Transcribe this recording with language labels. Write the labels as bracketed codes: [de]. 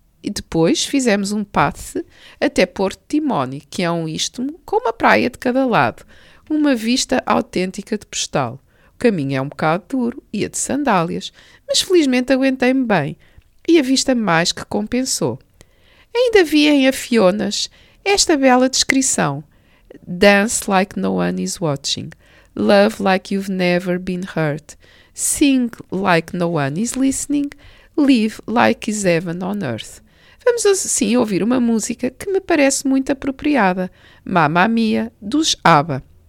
[pt] E depois fizemos um passe até Porto Timoni, que é um istmo com uma praia de cada lado, uma vista autêntica de postal. O caminho é um bocado duro, ia de sandálias, mas felizmente aguentei-me bem, e a vista mais que compensou. Ainda vi em Fionas esta bela descrição: [en] Dance like no one is watching. Love like you've never been hurt. Sing like no one is listening. Live like is heaven on earth. [pt] Vamos assim ouvir uma música que me parece muito apropriada. Mamma Mia, dos ABBA.